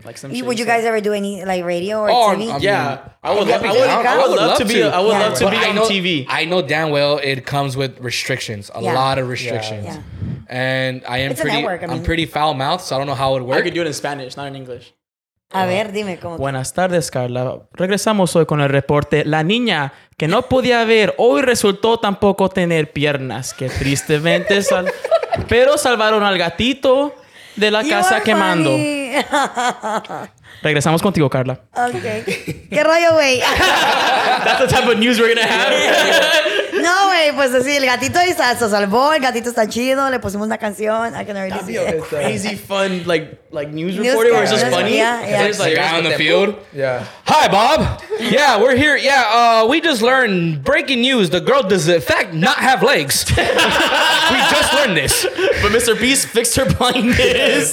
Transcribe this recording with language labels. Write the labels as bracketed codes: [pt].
[en] Like some would you guys ever do any like radio or TV? I would love to be on TV. I know damn well it comes with restrictions, a lot of restrictions. And I'm pretty foul mouthed, so I don't know how it would work. I could do it in Spanish, not in English. [es] A ver, dime cómo. Buenas tardes, Carla. Regresamos hoy con el reporte. La niña que no podía ver hoy resultó tampoco tener piernas. Que tristemente pero salvaron al gatito de la casa quemando. Regresamos contigo, Carla. Okay. ¿Qué rollo, güey? [en] That's the type of news we're going to have. [es] No, güey, pues así, el gatito se salvó, el gatito está chido, le pusimos una canción. [en] I can already see it. Crazy, fun, like news reporter, or is this funny? Yeah. There's like a guy on the field. Yeah. Hi, Bob. Yeah, we're here. Yeah, we just learned breaking news. The girl does, in fact, not have legs. We just learned this. But Mr. Beast fixed her blindness.